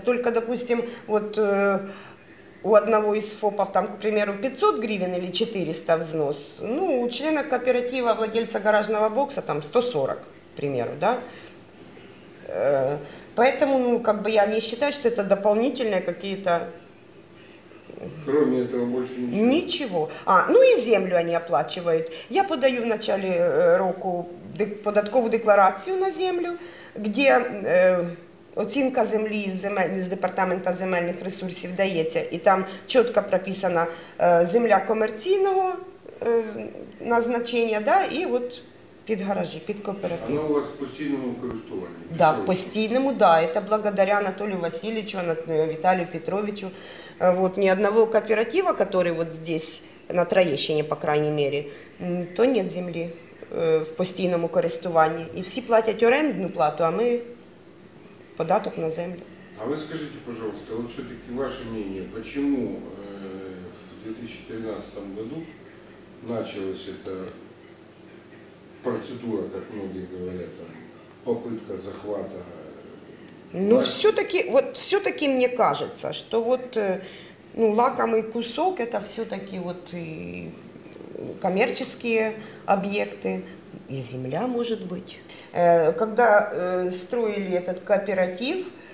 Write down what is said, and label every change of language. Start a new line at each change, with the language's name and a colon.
Russian: Только, допустим, вот у одного из ФОПов, там, к примеру, 500 гривен или 400 взнос, ну, у члена кооператива, владельца гаражного бокса, там, 140, к примеру, да, поэтому, ну, как бы я не считаю, что это дополнительные какие-то... Кроме этого больше ничего? Ничего. А, ну и землю они оплачивают. Я подаю в начале
Ukrainian: року податковую декларацию на землю, где оцінка землі з департамента земельних ресурсів дається, і там чітко прописана земля комерційного назначення, да, і от... Під гаражі, під кооператив. Воно у вас в постійному користуванні? Так, да, в постійному, так. Да. Це благодаря Анатолію Васильовичу, Віталію Петровичу. Вот, ні одного кооператива, який
Russian: вот здесь,
Ukrainian: на Троєщині,
Russian: по крайней мере, то нет
Ukrainian: землі в постійному користуванні. І всі платять орендну плату, а ми податок на землю. А ви скажіть, будь ласка, от все-таки
Russian: ваше мнение,
Ukrainian: чому в 2013 году почалося це...
Russian: процедура, как многие говорят, там, попытка захвата. Ну, все-таки мне кажется, что вот, ну, лакомый кусок, это все-таки вот и коммерческие объекты, и земля, может быть. Когда строили этот кооператив,